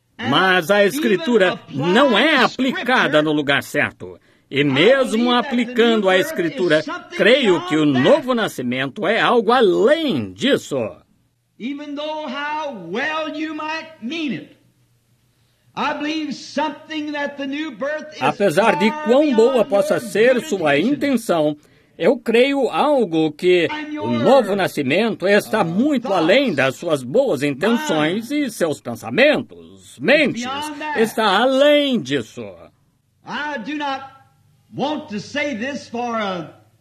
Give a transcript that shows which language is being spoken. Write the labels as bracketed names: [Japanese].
[Portuguese] Mas a Escritura não é aplicada no lugar certo. E mesmo aplicando a Escritura, creio que o novo nascimento é algo além disso. [English] Even though how well you might mean it, I believe something that the new birth is. [Portuguese] Apesar de quão boa possa ser sua intenção, eu creio algo que o novo nascimento está muito além das suas boas intenções e seus pensamentos, mentes, está além disso. [English] I do not want to say this for a.